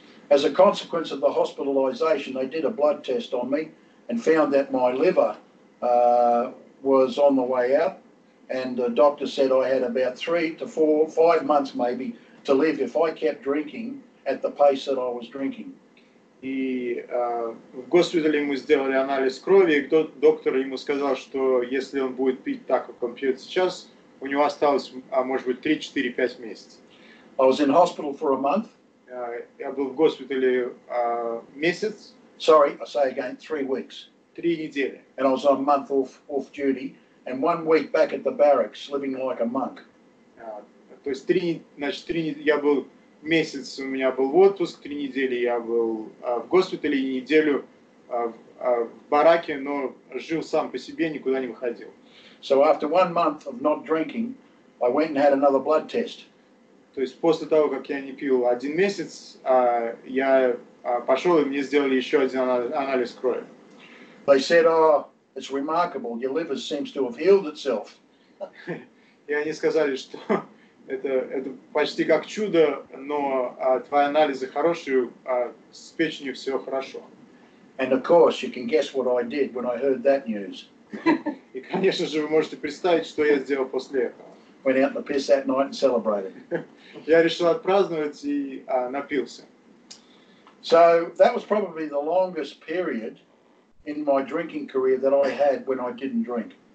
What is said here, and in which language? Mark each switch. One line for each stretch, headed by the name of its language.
English: As a consequence of the hospitalization, they did a blood test on me and found that my liver was on the way out, and the doctor said I had about 3 to 4, 5 months maybe to live if I kept drinking at the pace that I was drinking.
Russian: И в госпитале мы сделали анализ крови, и доктор ему сказал, что если он будет пить так, как он пьет сейчас, у него осталось, может быть, 3-4-5 месяцев.
English: I was in hospital for a month.
Russian: Я был в госпитале месяц.
English: Sorry, I say again, 3 weeks.
Russian: 3 недели.
English: And I was on a month off duty, and 1 week back at the barracks, living like a monk.
Russian: То есть три я был месяц, у меня был отпуск, 3 недели я был в госпитале и неделю в бараке, но жил сам по себе, никуда не выходил.
English: So after 1 month of not drinking, I went and had another blood test.
Russian: То есть после того, как я не пил 1 месяц, я пошел и мне сделали еще один анализ крови.
English: They said, oh, it's remarkable, your liver seems to have healed itself.
Russian: И они сказали, что это почти как чудо, но твои анализы хорошие, с печенью все хорошо.
English: And of course, you can guess what I did when I heard that news.
Russian: И, конечно же, вы можете представить, что я сделал после этого.
English: Went out in the piss that night and celebrated.
Russian: Я решил отпраздновать и напился.
English: So that was probably the longest period in my drinking career that I had when I didn't drink.